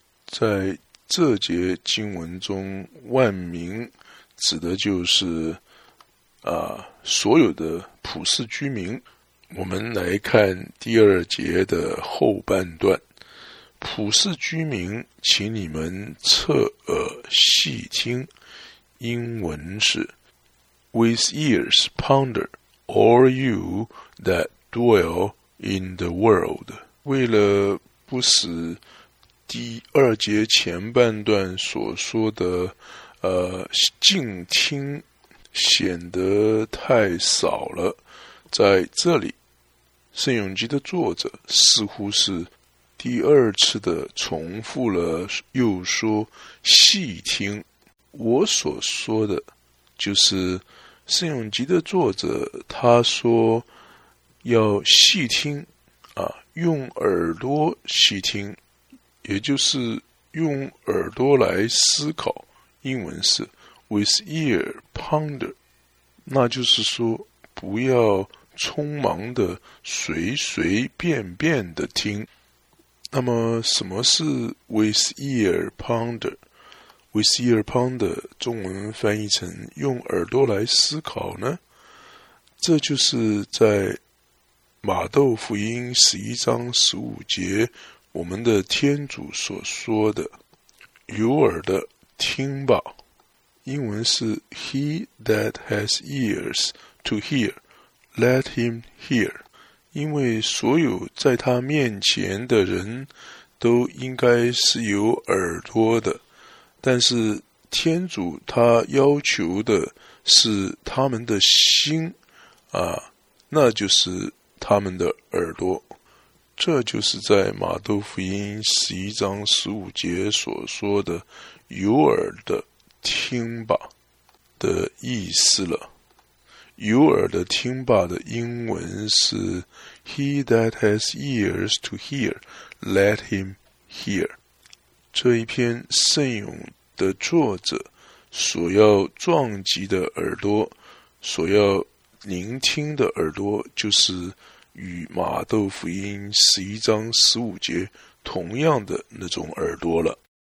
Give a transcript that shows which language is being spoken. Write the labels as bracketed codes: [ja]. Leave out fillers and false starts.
[zh] 在这节经文中，万民指的就是所有的普世居民。我们来看第二节的后半段，普世居民，请你们侧耳细听。 [en] 英文是 With ears ponder all you that dwell in the world. [zh] 为了不使第二节前半段所说的静听显得太少了，在这里圣咏集的作者似乎是第二次的重复了，又说细听。我所说的就是圣咏集的作者他说要细听啊，用耳朵细听，也就是用耳朵来思考，英文是 with ear ponder， 那就是说不要匆忙的随随便便的听。那么什么是 with ear ponder？ with ear ponder 中文翻译成用耳朵来思考呢，这就是在马窦福音十一章十五节我们的天主所说的，有耳的听吧，英文是 [en] He that has ears to hear, let him hear. [zh] 因为所有在他面前的人都应该是有耳朵的，但是天主他要求的是他们的心啊，那就是他们的耳朵。这就是在马窦福音十一章十五节所说的有耳的听吧的意思了。有耳的听吧的英文是 [en] He that has ears to hear, let him hear. [zh] 这一篇圣咏的作者所要撞击的耳朵，所要聆听的耳朵，就是与马窦福音十一章十五节同样的那种耳朵了。